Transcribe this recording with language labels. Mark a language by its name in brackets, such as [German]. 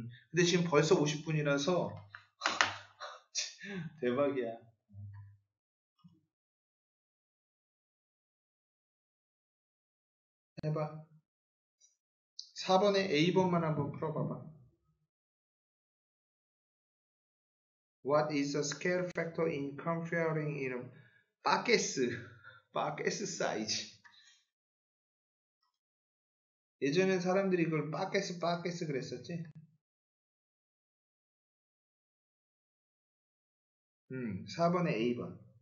[Korean] 근데 지금 벌써 50분이라서 대박이야. 해봐. 4번에 A번만 한번 풀어봐봐. [English] What is the scale factor in comparing in buckets? [Korean] 바켓 사이즈. 예전엔 사람들이 이걸 바켓, 바켓 그랬었지? 4번에 A번.